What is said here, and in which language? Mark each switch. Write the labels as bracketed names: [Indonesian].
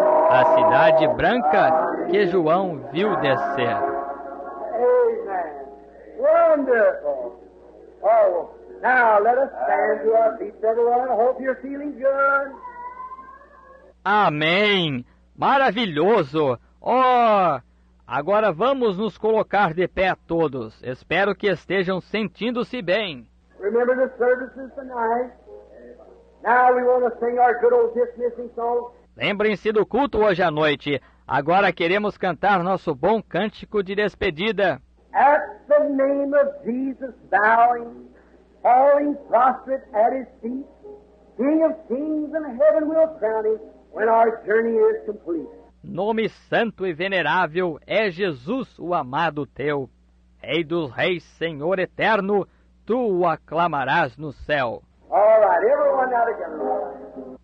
[Portuguese] A cidade branca que João viu descer. [English] Amen. Wonderful. Oh, now let us stand to our feet, everyone. I hope you're feeling good. [Portuguese] Amém. Maravilhoso. Oh, agora vamos nos colocar de pé todos. Espero que estejam sentindo-se bem. [English] Remember the services tonight. Now we want to sing our good old dismissing song. [Portuguese] Lembrem-se do culto hoje à noite. Agora queremos cantar nosso bom cântico de despedida. [English] At the name of Jesus bowing, falling prostrate at his feet, King of kings and heaven will crown him when our journey is complete. [Portuguese] Nome santo e venerável é Jesus, o amado teu. Rei dos reis, Senhor eterno, tu o aclamarás no céu. [English] All right, everyone out again.